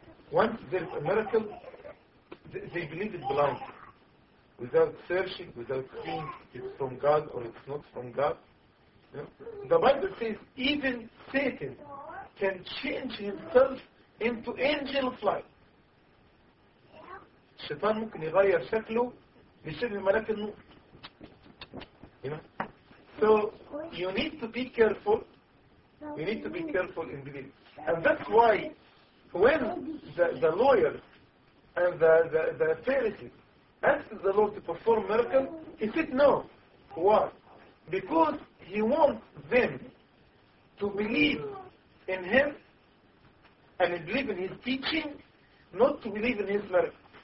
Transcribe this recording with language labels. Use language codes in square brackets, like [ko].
[en] Once there is a miracle, they believe it belongs. Without searching, without seeing it's from God or it's not from God. You know? The Bible says even Satan can change himself into angel flight. [ar] الشيطان ممكن يغير شكله لشبه ملاك النور. [en] You know? So you need to be careful. You need to be careful in belief. And that's why when the lawyer and the Pharisees asked the Lord to perform miracle, he said no. Why? Because he wants them to believe in him and believe in his teaching, not to believe in his miracle.